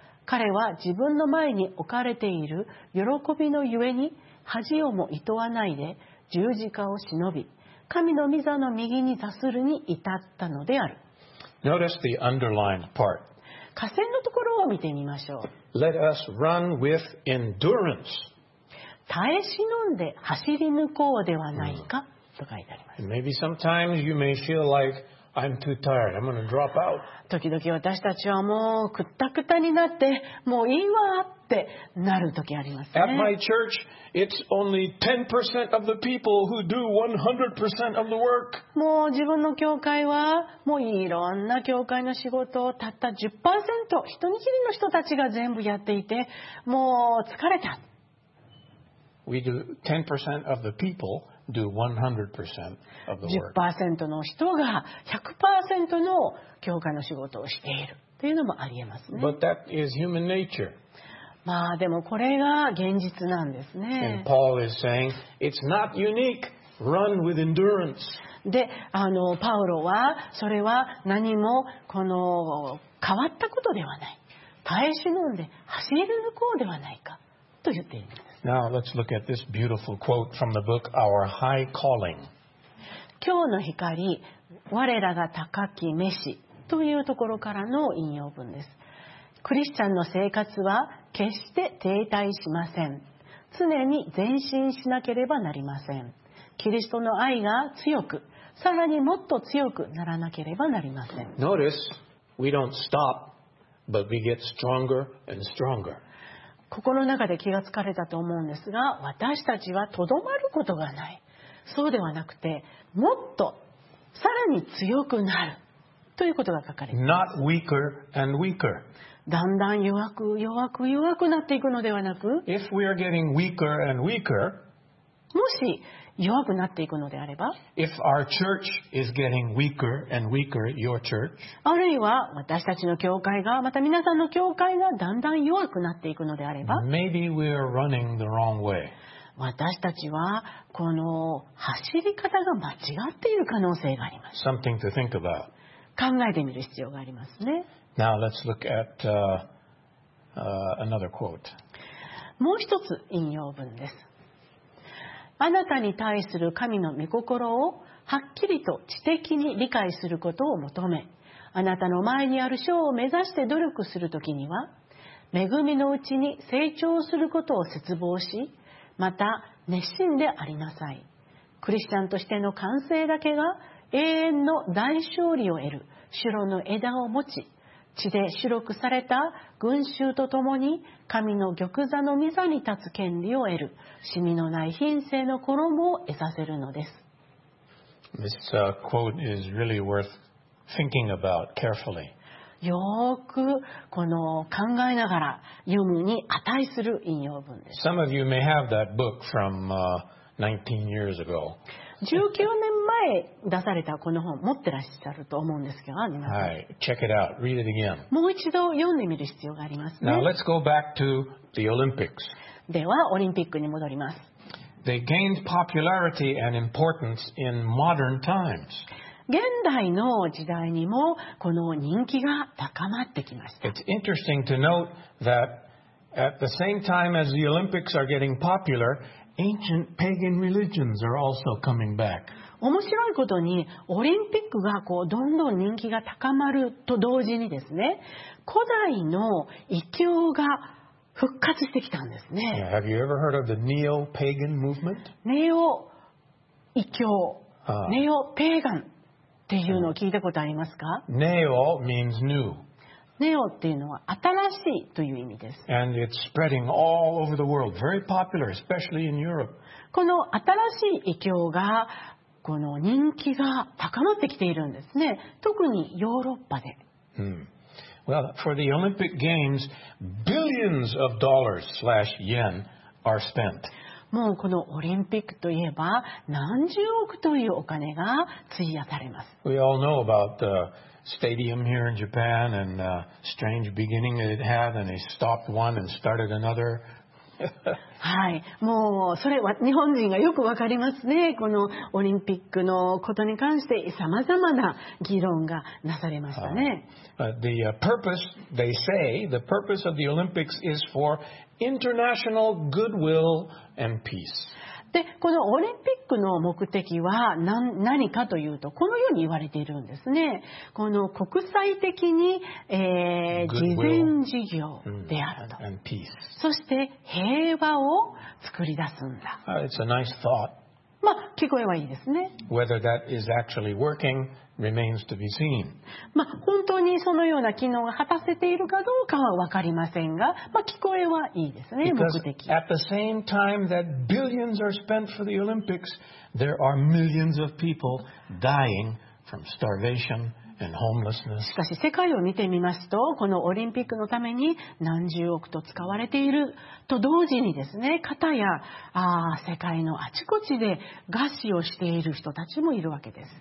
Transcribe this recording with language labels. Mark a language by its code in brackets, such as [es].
[ja] 彼は自分の前に置かれている喜びのゆえに恥をも厭わないで十字架を忍び神の御座の右に座するに至ったのである。 [en] Notice the underlined part. [ja] 下線のところを見てみましょう。 [en] Let us run with endurance. [ja] 耐え忍んで走り抜こうではないか、と書いてあります。 [en] Maybe sometimes you may feel like I'm too tired. I'm going to drop out. [ja] 時々私たちはもうくったくたになってもういいわってなる時ありますね。 [en] At my church, it's only 10% of the people who do 100% of the work. [ja] もう自分の教会はもういろんな教会の仕事をたった 10% 一握りの人たちが全部やっていてもう疲れた。 [en] We do 10% of the people do 100% of the work. [ja] 10% の人が 100% の教会の仕事をしているというのもありえますね。 [en] But that is human nature. [ja] まあでもこれが現実なんですね。 [en] And Paul is saying, it's not unique. Run with endurance. [ja] で、パウロはそれは何もこの変わったことではない。耐え忍んで走り抜こうではないかと言っています。 [en] Now let's look at this beautiful quote from the book Our High Calling. [ja] 今日の光、我らが高き召しというところからの引用文です。クリスチャンの生活は決して停滞しません。常に前進しなければなりません。キリストの愛が強く、さらにもっと強くならなければなりません。 [en] Notice we don't stop, but we get stronger and stronger. [ja] 心の中で気がつかれたと思うんですが、私たちはとどまることがない。そうではなくて、もっとさらに強くなるということが書かれています。 [en] Not weaker and weaker. [ja] だんだん弱くなっていくのではなく、 [en] If we are getting weaker and weaker, [ja] もし弱くなっていくのであれば、 [en] If our church is getting weaker and weaker, your church, [ja] あるいは私たちの教会が、また皆さんの教会がだんだん弱くなっていくのであれば、 [en] Maybe we are running the wrong way. [ja] 私たちはこの走り方が間違っている可能性があります。 [en] Something to think about. [ja] 考えてみる必要がありますね。 [en] Now let's look at another quote. [ja] もう一つ引用文です。あなたに対する神の御心をはっきりと知的に理解することを求め、あなたの前にある賞を目指して努力するときには、恵みのうちに成長することを切望し、また熱心でありなさい。クリスチャンとしての完成だけが永遠の大勝利を得る白の枝を持ち、地で白くされた群衆とともに神の玉座の御座に立つ権利を得る、シミのない品性の衣を得させるのです。 [en] This quote is really worth thinking about carefully. [ja] よくこの考えながら読むに値する引用文です。 [en] Some of you may have that book from 19 years ago. [ja] 19年前出されたこの本持ってらっしゃると思うんですけど、皆さん。 [en] はい、check it out, read it again. [ja] もう一度読んでみる必要がありますね。 [en] Now let's go back to the Olympics. [ja] ではオリンピックに戻ります。 [en] They gained popularity and importance in modern times. [ja] 現代の時代にもこの人気が高まってきました。 [en] It's interesting to note that at the same time as the Olympics are getting popular,Ancient pagan religions are also coming back. [ja] 面白いことに、オリンピックがこうどんどん人気が高まると同時にですね、古代の異教が復活してきたんですね。 [en] Yeah, have you ever heard of the neo-pagan movement? [ja] ネオ異教、ネオペーガンっていうのを聞いたことありますか？ [en] Neo means new. [ja] ネオっていうのは新しいという意味です。 [en] And it's spreading all over the world, very popular, especially in Europe. [ja] この新しい異教がこの人気が高まってきているんですね。特にヨーロッパで。 [en] Well, for the Olympic Games, billions of dollars/yen are spent. [ja] もうこのオリンピックといえば何十億というお金が費やされます。 [en] We all know about the stadium here in Japan and strange beginning that it had, and they stopped one and started another. [ja] はい、もうそれは日本人がよくわかりますね。このオリンピックのことに関してさまざまな議論がなされましたね。 [en] The purpose, they say, the purpose of the Olympics is for international goodwill and peace. [ja] で、このオリンピックの目的は 何かというと、このように言われているんですね。この国際的に、慈善事業であると。 [en] And peace. [ja] そして平和を作り出すんだ。 [en] It's a nice thought. [ja] まあ、聞こえはいいですね。 [en] Whether that is actually working remains to be seen. [ja] まあ、本当にそのような機能が果たせているかどうかは分かりませんが、まあ、聞こえはいいですね、 [en] Because、 [ja] 目的。 [en] At the same time that billions are spent for the Olympics, there are millions of people dying from starvation. [ja] しかし世界を見てみますと、このオリンピックのために何十億と使われていると同時にですね、かたや世界のあちこちで餓死をしている人たちもいるわけです。